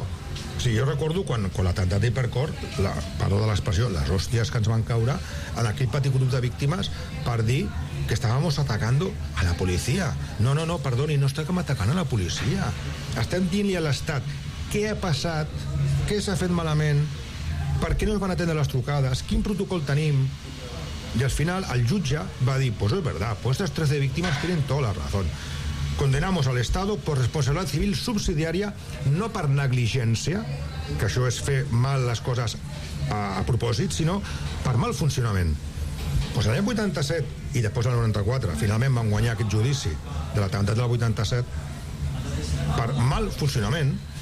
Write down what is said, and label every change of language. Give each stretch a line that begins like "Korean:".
Catalan: O sigui, jo recordo quan l'atemptat d'Hipercor, perdó de l'expressió, les hòsties que ens van caure en aquell petit grup de víctimes per dir que
Spanish: estàvamos atacando a la policia.
Catalan: No, perdoni, no estem atacant a la policia. Estem dient-li a l'Estat què ha passat, què s'ha fet malament, per què no es van atendre les trucades, quin protocol tenim. I al final el jutge va dir,
Spanish: pues es verdad, pues estas 13 víctimas tienen toda la razón. condenamos al Estado por responsabilidad civil subsidiaria,
Catalan: no per negligència, que això és fer mal les coses a propòsit, sinó per mal funcionament. Pues l'any 87 i després el 94, finalment van guanyar aquest judici de l'atemptat del 87 per mal funcionament.